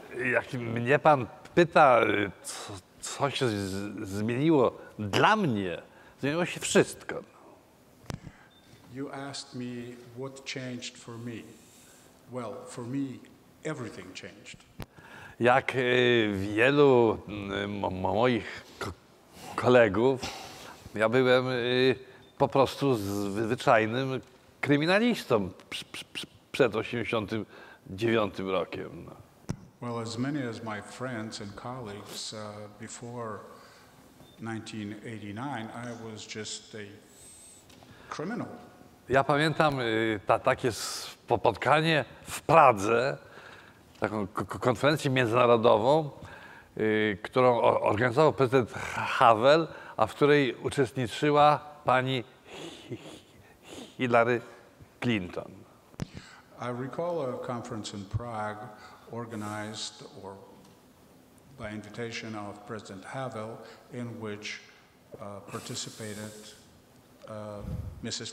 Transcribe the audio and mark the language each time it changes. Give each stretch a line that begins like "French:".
Polish: Jak mnie pan pyta, co się zmieniło dla mnie, zmieniło się wszystko.
English: You asked me what changed for me. Well, for me, everything changed.
Polish: Jak wielu moich kolegów, ja byłem po prostu zwyczajnym kryminalistą przed 89 rokiem.
English: Well, as many as my friends and colleagues before 1989, I was just a criminal.
Polish: Ja pamiętam takie spotkanie w Pradze, taką konferencję międzynarodową, którą organizował prezydent Havel, a w której uczestniczyła pani Hillary Clinton.
English: I recall a conference in Prague organized or by invitation of President Havel in which participated Mrs.